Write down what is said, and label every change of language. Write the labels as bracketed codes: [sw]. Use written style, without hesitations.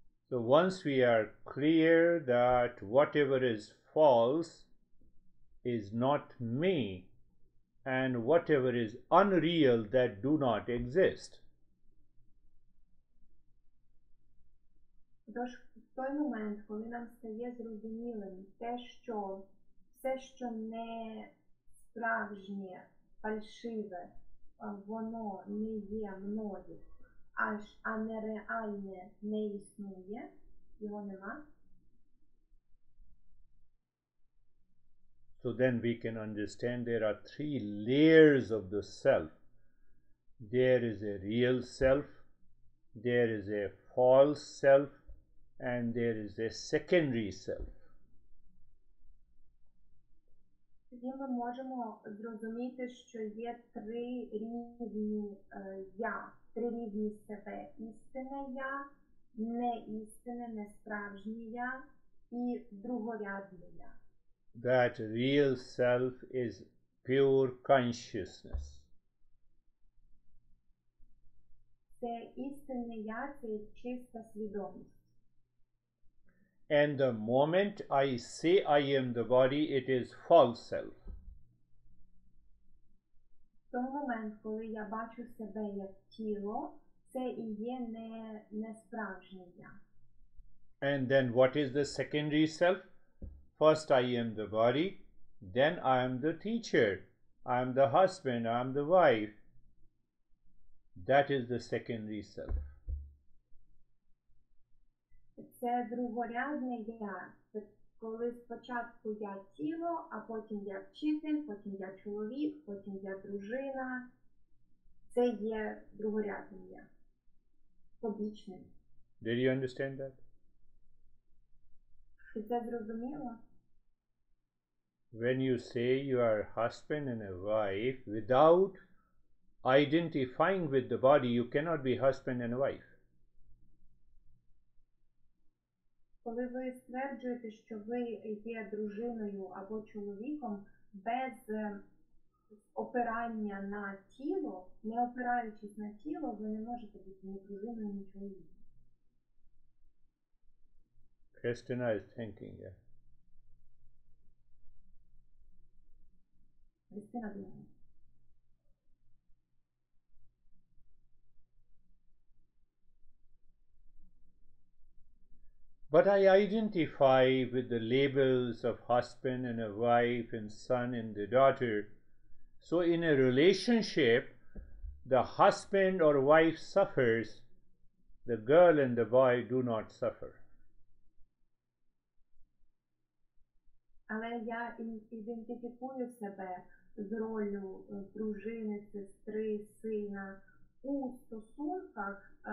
[en] So once we are clear that whatever is false is not me, and whatever is unreal that do not exist. [uk] Тож, в той момент, коли нам стає зрозумілим те, що все, що не справжнє, фальшиве, воно не є мною, а нереальне не існує, його нема. [en] So then we can understand there are three layers of the self. There is a real self, there is a false self, and there is a secondary self. [uk] Тоді ми можемо зрозуміти, що є три різні я, три різні себе. Істинне я, неістинне, несправжнє я і другорядне я. [en] That real self is pure consciousness. [uk] Це істинне я, це чиста свідомість. [en] And the moment I say I am the body, it is false self. [uk] То момент, коли я бачу себе як тіло, це і є не справжнє я. [en] And then what is the secondary self? First I am the body, then I am the teacher, I am the husband, I am the wife. That is the secondary self. [uk] Це другорядне я. Це коли спочатку я тіло, а потім я вчитель, потім я чоловік, потім я дружина. Це є другорядне я. Побічне. [en] Did you understand that? [uk] Ти це зрозуміло? [en] When you say you are husband and a wife, without identifying with the body, you cannot be husband and wife. [uk] Коли ви стверджуєте, що ви є дружиною або чоловіком, без опирання на тіло, не опираючись на тіло, ви не можете бути ні дружиною, ні чоловіком. [en] Christina is thinking, yeah. [uk] Christina думає. [en] But I identify with the labels of husband and a wife and son and the daughter. So in a relationship, the husband or wife suffers, the girl and the boy do not suffer. [uk] Але я ідентифікую себе з ролью дружини, сестри, сина у стосунках.